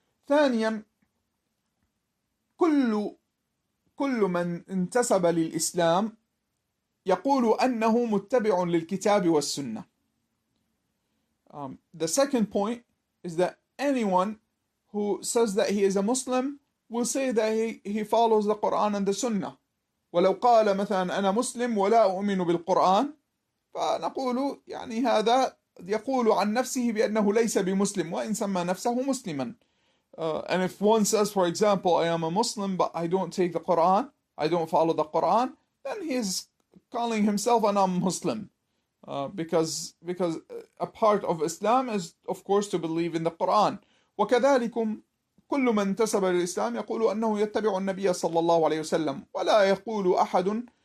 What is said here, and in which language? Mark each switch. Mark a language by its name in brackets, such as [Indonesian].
[Arabic] ثانيا, كل من انتسب للإسلام يقول أنه متبع للكتاب والسنة. [English] The second point is that anyone who says that he is a Muslim will say that he follows the Quran and the Sunnah. [Arabic] ولو قال مثلا أنا مسلم ولا أؤمن بالقرآن فنقول يعني هذا يقول عن نفسه بأنه ليس بمسلم وإن سمى نفسه مسلما. [English] And if one says, for example, I am a Muslim, but I don't take the Quran, I don't follow the Quran, then he is calling himself a non-Muslim. Because a part of Islam is, of course, to believe in the Quran. [Arabic] وَكَذَلِكُمْ كُلُّ مَنْ تَسَبَ الْإِسْلَامِ يَقُولُ أَنَّهُ يَتَّبِعُ النَّبِيَ صَلَّى اللَّهُ عَلَيْهُ وَسَلَّمُ وَلَا يَقُولُ أَحَدٌ